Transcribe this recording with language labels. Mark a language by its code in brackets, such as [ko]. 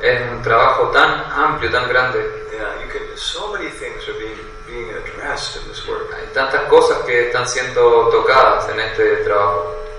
[es] Es un trabajo tan amplio, tan grande. [en] Yeah, you can. So many things are being addressed in this work. [es] Hay tantas cosas que están siendo tocadas en este trabajo.